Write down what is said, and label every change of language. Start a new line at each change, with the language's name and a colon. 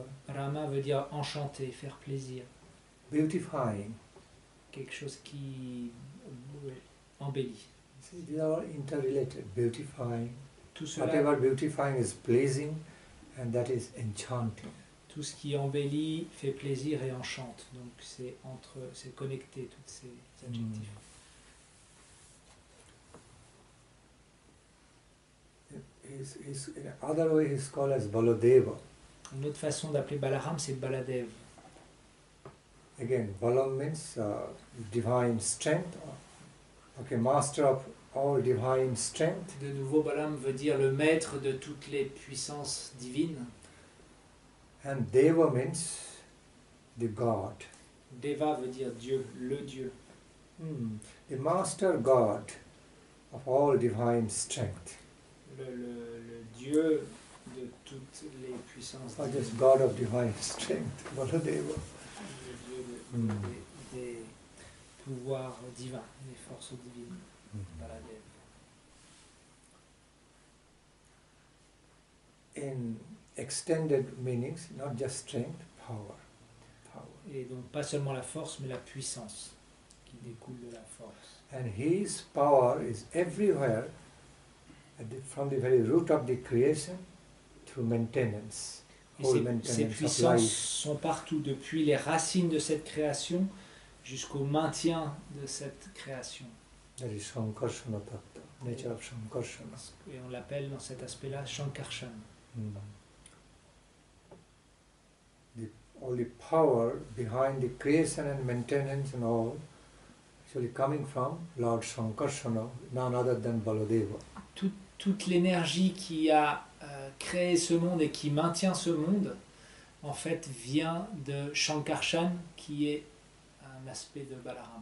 French: Rama veut dire enchanter, faire plaisir.
English: Beautifying.
French: Quelque chose qui embellit.
English: See, they are interrelated. Beautifying.
French: Tout cela,
English: whatever beautifying is pleasing, and that is enchanting.
French: Tout ce qui embellit fait plaisir et enchante. Donc c'est connecté, tous ces adjectifs. Mm.
English: Is in other way he's called as Baladeva.
French: Une autre façon d'appeler Balaram, c'est Baladev.
English: Again, Balam means divine strength. Okay, master of all divine strength.
French: De nouveau, Balam veut dire le maître de toutes les puissances divines.
English: And Deva means the God.
French: Deva veut dire Dieu, le Dieu.
English: Mm. The master God of all divine strength.
French: Le Dieu de toutes les puissances.
English: Oh, just God of divine strength, Baladeva.
French: Le Dieu des pouvoirs divins, des forces divines, Baladeva.
English: In extended meanings, not just strength, power. Power.
French: Et donc pas seulement la force, mais la puissance qui découle de la force.
English: And his power is everywhere. From the very root of the creation, through maintenance, whole maintenance.
French: Ses puissances sont partout, depuis les racines de cette création jusqu'au maintien de cette création.
English: That is Sankarsana Tattva, nature of Sankarsana.
French: Et on l'appelle dans cet aspect-là Sankarsana. Mm.
English: All the power behind the creation and maintenance and all, actually coming from Lord Sankarsana, none other than Baladeva.
French: Toute l'énergie qui a créé ce monde et qui maintient ce monde, en fait, vient de Shankarshan, qui est un aspect de Balaram.